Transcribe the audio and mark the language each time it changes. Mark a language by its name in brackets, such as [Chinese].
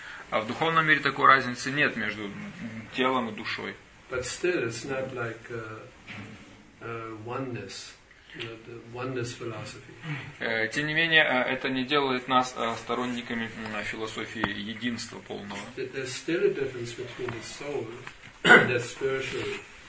[Russian] А в духовном мире такой разницы нет между телом и душой. [English] But still, it's not like oneness, the oneness philosophy. [Russian] Тем не менее, это не делает нас сторонниками философии единства полного. [English] There's still a difference between the soul and the spiritual.